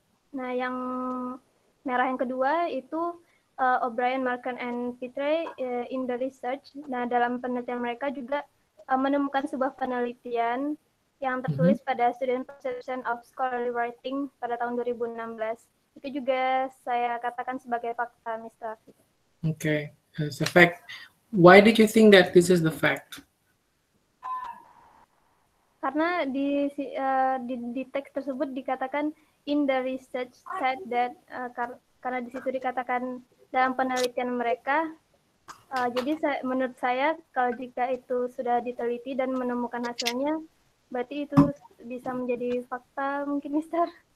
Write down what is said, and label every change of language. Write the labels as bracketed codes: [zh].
[id] Nah, yang merah yang kedua itu O'Brien, Markan, and Petre [en] in the research. [id] Nah, dalam penelitian mereka juga menemukan sebuah penelitian yang tertulis pada Student Perception of Scholarly Writing pada tahun 2016. Itu juga saya katakan sebagai fakta, Mister. [en] Oke. Okay. As a fact, why did you think that this is the fact? [id] Karena di teks tersebut dikatakan [en] in the research said that [id] karena di situ dikatakan dalam penelitian mereka, jadi menurut saya kalau jika itu sudah diteliti dan menemukan hasilnya, berarti itu bisa menjadi fakta mungkin, Mister.